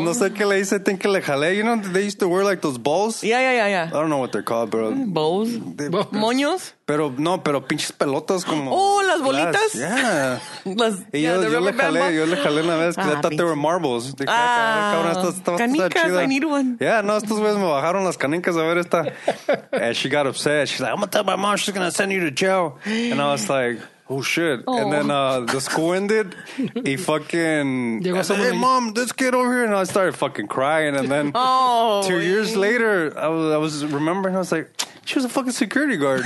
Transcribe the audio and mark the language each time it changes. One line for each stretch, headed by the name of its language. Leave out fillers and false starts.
Spanish: no sé qué le hice, think que le jalé.
English: You know, they used to wear like those balls. Yeah. I don't know what they're called, bro.
Spanish: Balls? Moños? Pero no, pero pinches pelotas como... Oh, las bolitas.
English: Glass. Yeah. Yo le jalé una vez because I thought they were marbles. Canicas, I need one.
Spanish: Yeah, no, estos güeyes me bajaron las canicas a ver esta.
English: And she got upset. She's like, I'm going to tell my mom she's going to send you to jail. And I was like... Oh shit. Oh. And then the school ended. He fucking said, hey mom, this kid over here. And I started fucking crying. And then 2 years later, I was remembering, I was like, she was a fucking security guard.